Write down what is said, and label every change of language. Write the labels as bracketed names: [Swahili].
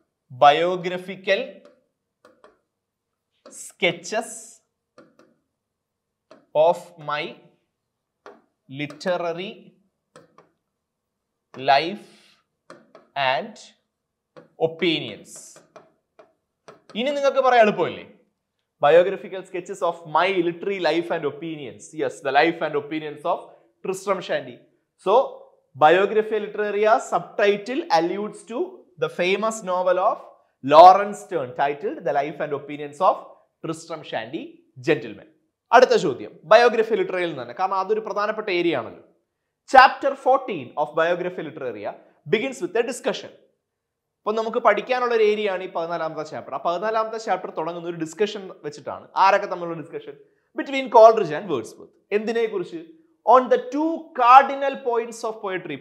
[English] Biographical sketches of my literary life and opinions. [Malayalam] ഇനി നിങ്ങൾക്ക് പറയാൻ എളുപ്പമില്ലേ? Biographical sketches of my literary life and opinions. [English] Yes, the life and opinions of Tristram Shandy. So Biographia Literaria subtitle alludes to the famous novel of Lawrence Stern titled The Life and Opinions of Tristram Shandy Gentleman. [Malayalam] അടുത്ത ചോദ്യം, biography ലിറ്റററിയിൽ നിന്ന്, കാരണം അതൊരു പ്രധാനപ്പെട്ട area ആണല്ലോ. [English] Chapter 14 of Biographia Literaria begins with a discussion. [Malayalam] അപ്പൊ നമുക്ക് പഠിക്കാനുള്ള ഒരു ഏരിയ ആണ് ഈ 14th ചാപ്റ്റർ. ആ 14th ചാപ്റ്റർ തുടങ്ങുന്ന ഒരു ഡിസ്കഷൻ വെച്ചിട്ടാണ്. ആരൊക്കെ തമ്മിലുള്ള discussion? [English] Between Coleridge and Wordsworth. [Malayalam] എന്തിനെ കുറിച്ച്? [English] On the two cardinal points of poetry.